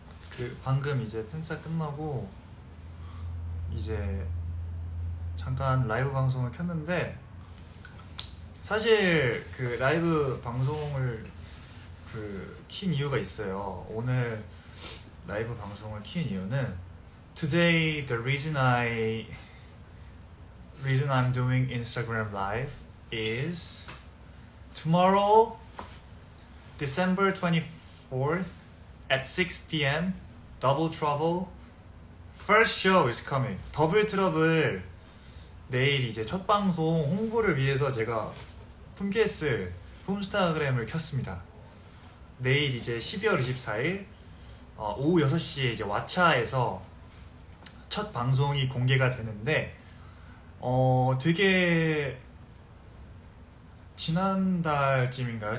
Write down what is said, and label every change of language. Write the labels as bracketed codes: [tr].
[ko] 그 방금 이제 팬싸 끝나고 이제 잠깐 라이브 방송을 켰는데 사실 그 라이브 방송을 그 킨 이유가 있어요. 오늘 라이브 방송을 킨 이유는 [en] Today the reason I The reason I'm doing Instagram live is tomorrow, December 24th at 6 PM, Double Trouble first show is coming. [ko] Double Trouble 내일 이제 첫 방송 홍보를 위해서 제가 품캐스 품스타그램을 켰습니다. 내일 이제 12월 24일 오후 6시에 이제 왓챠에서 첫 방송이 공개가 되는데 되게 지난달쯤인가요?